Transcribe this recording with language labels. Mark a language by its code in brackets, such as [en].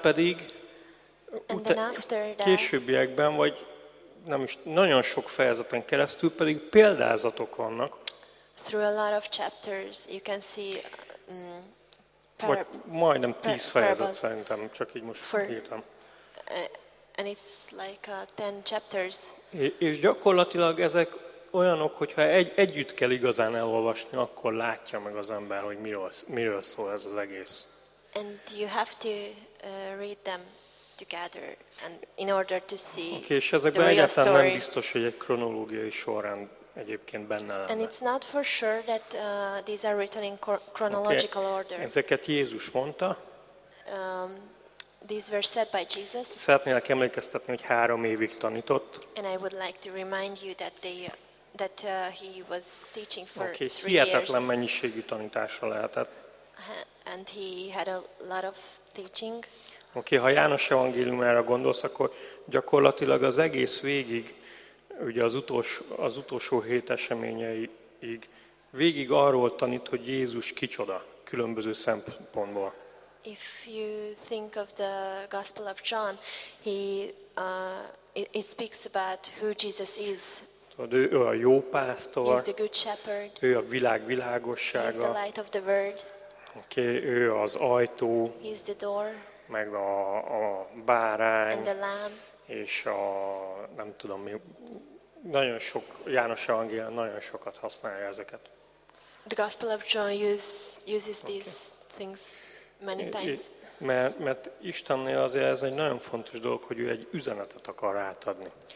[hu] Pedig későbbiekben, vagy nem is nagyon sok fejezeten keresztül pedig példázatok vannak. [en] Through a lot of chapters you can see [hu] vagy majdnem 10 fejezet szerintem, csak így most írtam. [en] And it's like 10 chapters. [hu] És gyakorlatilag ezek olyanok, hogyha együtt kell igazán elolvasni, akkor látja meg az ember, hogy miről szól ez az egész. [en] And you have to read them together and in order to see. [hu] Okay, és ezekben egyáltalán nem biztos, hogy egy kronológiai sorrend egyébként benne lenne. [en] And it's not for sure that these are written in chronological order. [hu] Ezeket Jézus mondta. [en] These were said by Jesus. [hu] Szeretnélek emlékeztetni, hogy 3 évig tanított. [en] And I would like to remind you that he was teaching for 3 years. [hu] Hihetetlen mennyiségű tanítása lehetett. [en] And he had a lot of teaching. [hu] Okay, ha János evangéliumára gondolsz, akkor gyakorlatilag az egész végig, ugye az utolsó hét eseményeig végig arról tanít, hogy Jézus kicsoda különböző szempontból. [en] If you think of the Gospel of John, it speaks about who Jesus is. [hu] Ő a jó pásztor. [en] He's the good shepherd. [hu] Ő a világ világossága. [en] He's the light of the world. [hu] Okay, ő az ajtó. [en] He's the door. [hu] Meg a bárány. [en] And the lamb. [hu] És a nem tudom mi, nagyon sok János evangélia nagyon sokat használja ezeket. [en] The Gospel of John uses these things many times. [hu] Mert Istennél azért ez egy nagyon fontos dolog, hogy ő egy üzenetet akar átadni.